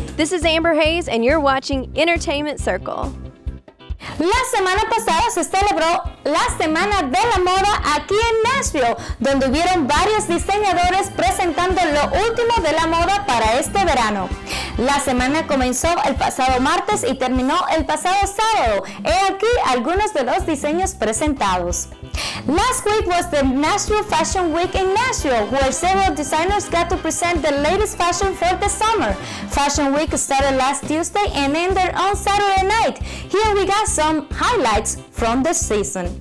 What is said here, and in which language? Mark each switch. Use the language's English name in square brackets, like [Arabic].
[English] This is Amber Hayes, and you're watching Entertainment Circle. [Spanish] La semana pasada se celebró la Semana de la Moda aquí en Nashville, donde hubieron varios diseñadores presentando lo último de la moda para este verano. La semana comenzó el pasado martes y terminó el pasado sábado. He aquí algunos de los diseños presentados. [English] Last week was the Nashville Fashion Week in Nashville, where several designers got to present the latest fashion for the summer. Fashion Week started last Tuesday and ended on Saturday night. Here we got some highlights from the season.